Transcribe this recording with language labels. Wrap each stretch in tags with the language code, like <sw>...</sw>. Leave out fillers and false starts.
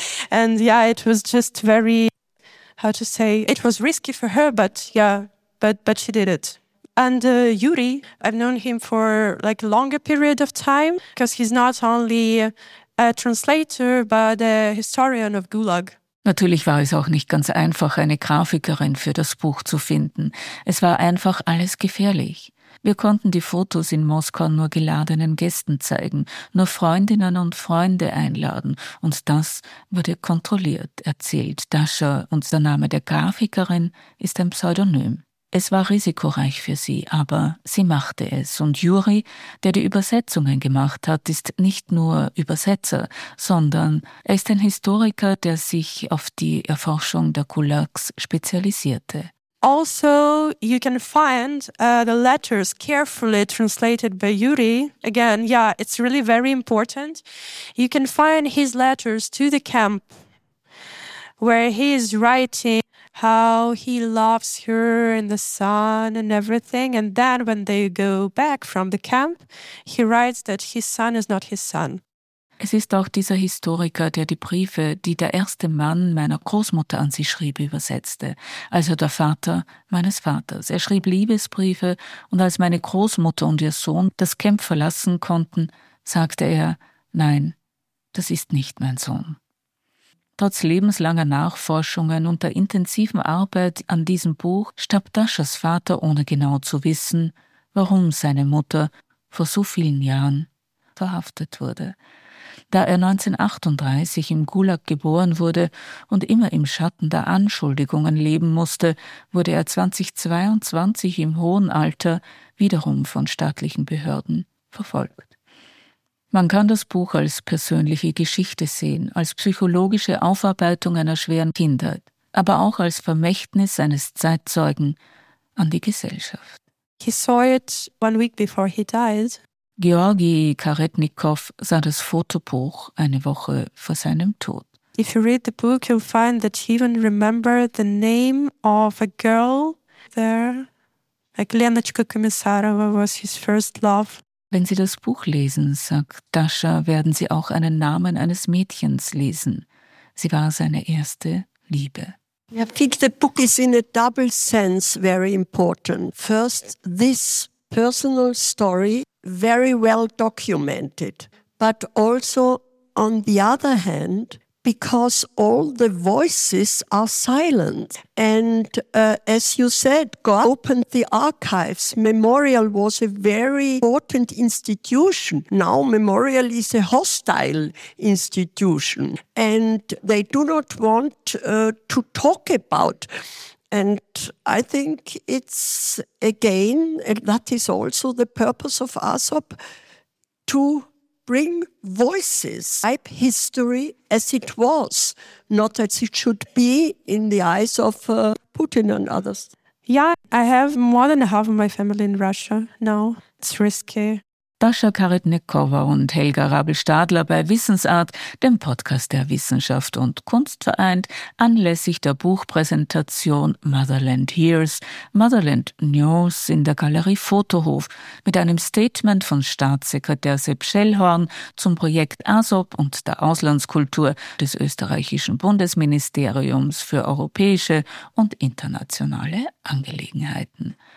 <en>And yeah, it was just very, it was risky for her, but she did it. And Yuri, I've known him for a longer period of time because he's not only a translator, but a historian of Gulag.</en> <de>Natürlich war es auch nicht ganz einfach, eine Grafikerin für das Buch zu finden. Es war einfach alles gefährlich. Wir konnten die Fotos in Moskau nur geladenen Gästen zeigen, nur Freundinnen und Freunde einladen. Und das wurde kontrolliert, erzählt Dascha. Und der Name der Grafikerin ist ein Pseudonym. Es war risikoreich für sie, aber sie machte es. Und Juri, der die Übersetzungen gemacht hat, ist nicht nur Übersetzer, sondern er ist ein Historiker, der sich auf die Erforschung der Gulags spezialisierte.</de> <en>Also, you can find the letters carefully translated by Yuri. Again, yeah, it's really very important. You can find his letters to the camp where he is writing how he loves her in the sun and everything. And then when they go back from the camp, he writes that his son is not his son.</en> <de>Es ist auch dieser Historiker, der die Briefe, die der erste Mann meiner Großmutter an sie schrieb, übersetzte. Also der Vater meines Vaters. Er schrieb Liebesbriefe und als meine Großmutter und ihr Sohn das Camp verlassen konnten, sagte er, nein, das ist nicht mein Sohn. Trotz lebenslanger Nachforschungen und der intensiven Arbeit an diesem Buch starb Daschas Vater, ohne genau zu wissen, warum seine Mutter vor so vielen Jahren verhaftet wurde. Da er 1938 im Gulag geboren wurde und immer im Schatten der Anschuldigungen leben musste, wurde er 2022 im hohen Alter wiederum von staatlichen Behörden verfolgt. Man kann das Buch als persönliche Geschichte sehen, als psychologische Aufarbeitung einer schweren Kindheit, aber auch als Vermächtnis eines Zeitzeugen an die Gesellschaft.</de> <en>He saw it one week before he died.</en> <de>Georgi Karetnikov sah das Fotobuch eine Woche vor seinem Tod.</de> <en>If you read the book, you'll find that he even remembered the name of a girl there. Lenochka Komissarova was his first love.</en> <de>Wenn Sie das Buch lesen, sagt Dascha, werden Sie auch einen Namen eines Mädchens lesen. Sie war seine erste Liebe.</de> <en>I think the book is in a double sense very important. First, this personal story, very well documented. but also on the other hand, because all the voices are silent. And as you said, God opened the archives. Memorial was a very important institution. Now Memorial is a hostile institution. And they do not want to talk about. And I think it's, again, and that is also the purpose of ASOP, to bring voices, type history as it was, not as it should be in the eyes of Putin and others. Yeah, I have more than half of my family in Russia now. It's risky.</en> <de>Dasha Karetnikova und Helga Rabel-Stadler bei Wissensart, dem Podcast der Wissenschaft und Kunst vereint, anlässlich der Buchpräsentation Motherland Hears, Motherland News in der Galerie Fotohof mit einem Statement von Staatssekretär Sepp Schellhorn zum Projekt ASOP und der Auslandskultur des österreichischen Bundesministeriums für europäische und internationale Angelegenheiten.</de>